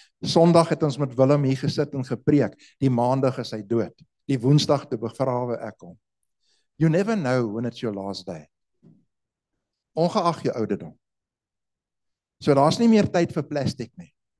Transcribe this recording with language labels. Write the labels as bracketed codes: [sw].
[af] Sondag het ons met Willem hier gesit en gepreek. Die maandag is hy dood. Die woensdag te begrawe ek hom. [en] You never know when it's your last day. [af] Ongeag jou ouderdom. So daar's nie meer tyd vir plastiek nie.